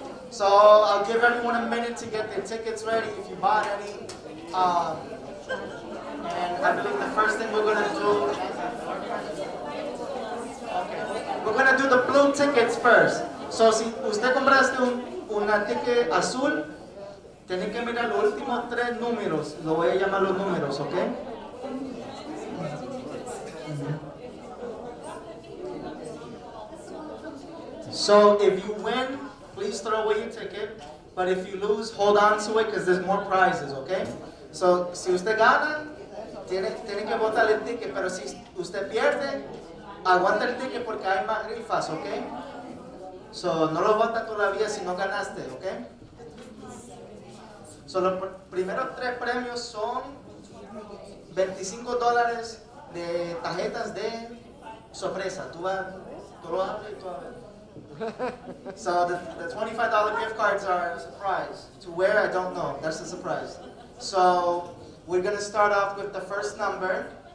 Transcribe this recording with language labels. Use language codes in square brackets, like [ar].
[en] So I'll give everyone a minute to get their tickets ready if you bought any. And I believe the first thing we're gonna do. Okay. We're gonna do the blue tickets first. [es] So si usted compraste una ticket azul, tienen que mirar los últimos tres números. Lo voy a llamar los números, ¿ok? [en] So if you win, please throw away your ticket. But if you lose, hold on to it because there's more prizes, ¿ok? [es] So si usted gana, tiene que botar el ticket. Pero si usted pierde, aguanta el ticket porque hay más rifas, ¿ok? So no lo bota todavía si no ganaste, ¿ok? So los primeros tres premios son $25 de tarjetas de sorpresa. Tú vas, tú lo abres y tú abres. [en] So the $25 gift cards are a surprise. To where, I don't know. That's a surprise. So we're going to start off with the first number.